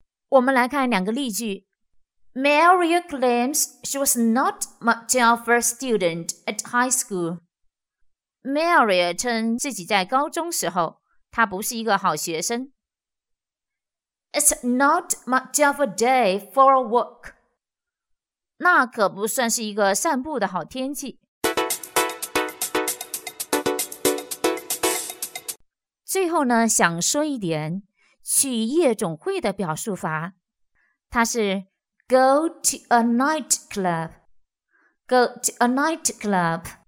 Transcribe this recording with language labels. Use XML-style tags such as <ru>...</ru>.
<zh>我们来看两个例句。</zh> <en>Mary claims she was not much of a student at high school.</en> <zh>Mary 称自己在高中时候，她不是一个好学生。</zh> <en>It's not much of a day for a walk.</en> <zh>那可不算是一个散步的好天气。最后呢，想说一点去夜总会的表述法，它是</zh> <en>go to a nightclub,</en> <zh>go to a nightclub。</zh>